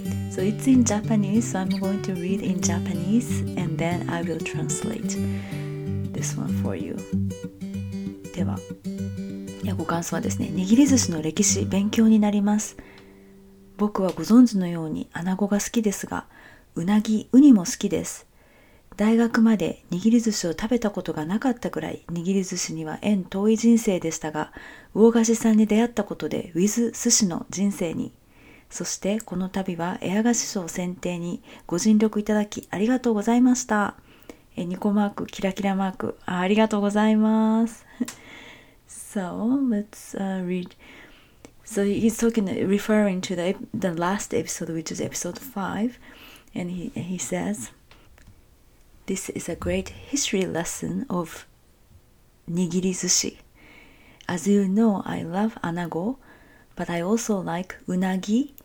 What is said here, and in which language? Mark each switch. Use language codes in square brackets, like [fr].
[en] So it's in Japanese, so I'm going to read in Japanese and then I will translate this one for you. [ja] では、ご感想はですね、握り寿司の歴史、勉強になります。僕はご存知のようにアナゴが好きですが、うなぎ、ウニも好きです。大学まで握り寿司を食べたことがなかったくらい、握り寿司には縁遠い人生でしたが、魚菓子さんに出会ったことで、ウィズ寿司の人生に。そしてこの度はエアガシ賞選定にご尽力いただきありがとうございました。ニコマークキラキラマーク ありがとうございます。 [en] So let's read. So he's talking, referring to the last episode, which is episode 5, and he says, "This is a great history lesson of nigiri sushi. As you know, I love anago, but I also like unagi."